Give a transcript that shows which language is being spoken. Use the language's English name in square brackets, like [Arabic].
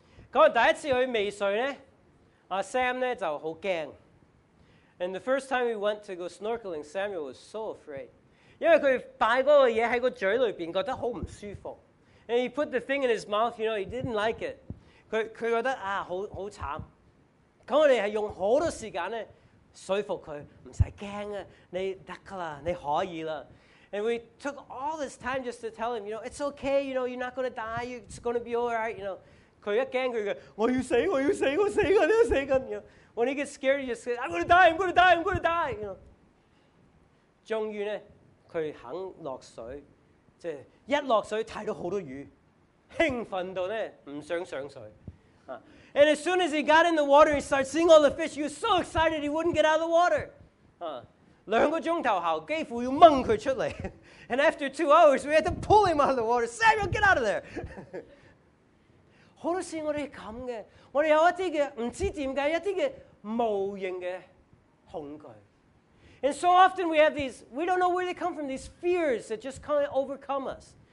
[Cantonese] 咁第一次去微水咧，阿 Sam 咧就好驚。 [English] And the first time we went to go snorkeling, Samuel was so afraid. [Cantonese] 因為佢擺嗰個嘢喺個嘴裏邊，覺得好唔舒服。 [English] And he put the thing in his mouth, you know, he didn't like it. [Cantonese] 佢覺得啊，好慘。咁我哋系用好多时间咧说服佢，唔使惊啊，你得噶啦，你可以啦。 [English] And we took all this time just to tell him, you know, it's okay, you know, you're not going to die, it's going to be all right, you know. [Cantonese] 佢一惊佢嘅，我要死，我要死，我死紧，我死紧。 [English] You know, when he gets scared, he just says, I'm going to die, I'm going to die, I'm going to die. You know. [Cantonese] 终于咧，佢肯落水，即系一落水睇到好多鱼，兴奋到咧唔想上水。 [English] And as soon as he got in the water, he started seeing all the fish. He was so excited he wouldn't get out of the water. [Cantonese] 两个钟头后，几乎要掹佢出嚟。 [English] And after 2 hours, we had to pull him out of the water. Samuel, get out of there! [Cantonese] 好多事我哋咁嘅，我哋有一啲嘅唔知点解，一啲嘅无形嘅恐惧。 [English] And so often we have these, we don't know where they come from, these fears that just kind of overcome us.